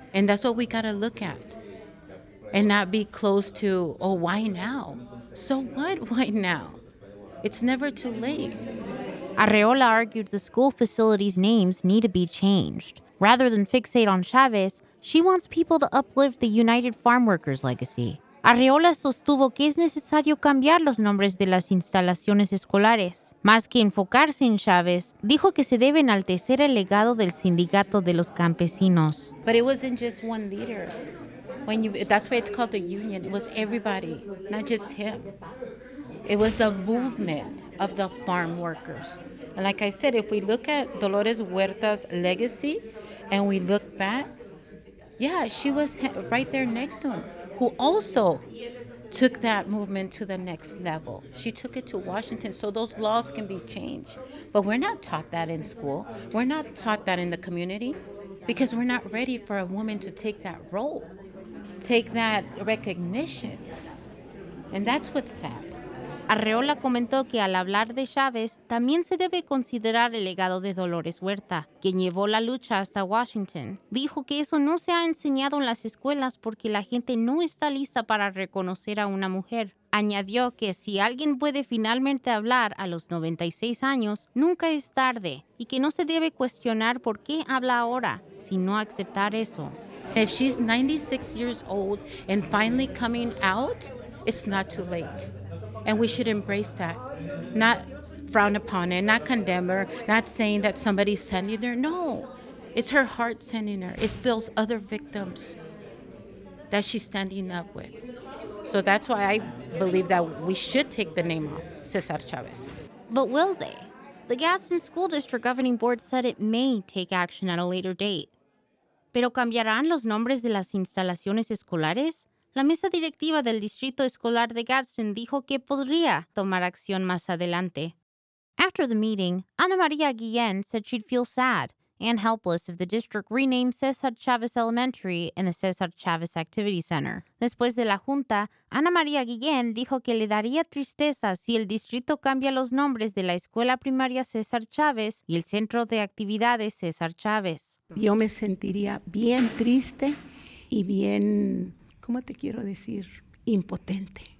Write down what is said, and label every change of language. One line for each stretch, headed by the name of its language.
English: And that's what we gotta look at and not be close to, oh, why now? So what? Why now? It's never too late. Arreola argued the school facility's names need to be changed. Rather than fixate on Chavez, she wants people to uplift the United Farm Workers' legacy.
Spanish: Arreola sostuvo que es necesario cambiar los nombres de las instalaciones escolares. Más que enfocarse en Chávez, dijo que se debe enaltecer el legado del sindicato de los campesinos.
English: But it wasn't just one leader. That's why it's called the union. It was everybody, not just him. It was the movement of the farm workers. And like I said, if we look at Dolores Huerta's legacy and we look back, yeah, she was right there next to him, who also took that movement to the next level. She took it to Washington so those laws can be changed. But we're not taught that in school. We're not taught that in the community because we're not ready for a woman to take that role. Take that recognition. And that's what's sad.
Spanish: Arreola comentó que al hablar de Chávez, también se debe considerar el legado de Dolores Huerta, quien llevó la lucha hasta Washington. Dijo que eso no se ha enseñado en las escuelas porque la gente no está lista para reconocer a una mujer. Añadió que si alguien puede finalmente hablar a los 96 años, nunca es tarde, y que no se debe cuestionar por qué habla ahora, sino aceptar eso.
English: If she's 96 years old and finally coming out, it's not too late. And we should embrace that, not frown upon it, not condemn her, not saying that somebody's sending her. No, it's her heart sending her. It's those other victims that she's standing up with. So that's why I believe that we should take the name off Cesar Chavez. But will they? The Gadsden School District Governing Board said it may take action at a later date.
Spanish: ¿Pero cambiarán los nombres de las instalaciones escolares? La mesa directiva del Distrito Escolar de Gadsden dijo que podría tomar acción más adelante.
English: After the meeting, Ana María Guillén said she'd feel sad and helpless if the district renamed Cesar Chavez Elementary and the Cesar Chavez Activity Center.
Spanish: Después de la junta, Ana María Guillén dijo que le daría tristeza si el distrito cambia los nombres de la escuela primaria Cesar Chavez y el centro de actividades Cesar Chavez. Yo me sentiría bien triste y bien, ¿cómo te quiero decir? Impotente.